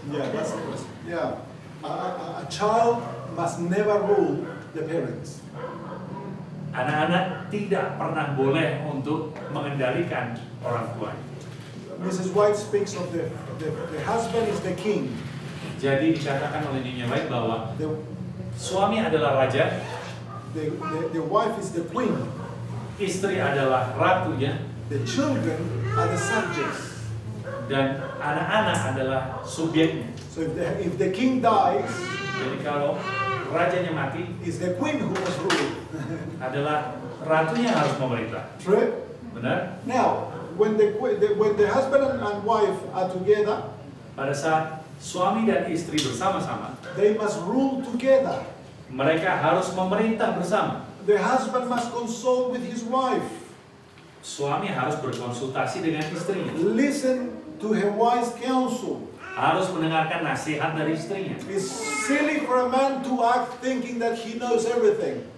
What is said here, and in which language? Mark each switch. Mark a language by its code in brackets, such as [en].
[en] Yeah, that's the question. Yeah, a child must never rule the parents. [id] Anak-anak tidak pernah boleh untuk mengendalikan orang tua. [en] Mrs. White speaks of the husband is the king. [id] Jadi dikatakan oleh Nyonya White bahwa suami adalah raja. [en] The wife is the queen. [id] Istri adalah ratunya. [en] The children are the subjects. [id] Dan anak-anak adalah subjeknya. [en] So if the king dies, [id] jadi kalau rajanya mati, [en] is the queen who must rule. [id] Adalah ratunya yang harus memerintah. [en] True. [id] Benar. [en] Now, when the husband and wife are together, [id] pada saat suami dan istri bersama-sama, [en] they must rule together. [id] Mereka harus memerintah bersama. [en] The husband must consult with his wife. [id] Suami harus berkonsultasi dengan istrinya. [en] Listen to her wise counsel. [id] Harus mendengarkan nasihat dari istrinya. [en] It's silly for a man to act thinking that he knows everything.